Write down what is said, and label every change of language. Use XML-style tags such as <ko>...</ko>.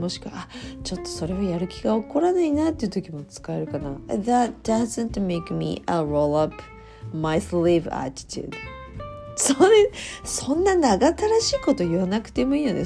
<ja>もしくはちょっとそれはやる気が起こらないなっていう時も使えるかな。</ja> <en>That doesn't make me a roll up my sleeve attitude。</en> <ja>そんな長たらしいこと言わなくてもいいよね。</ja>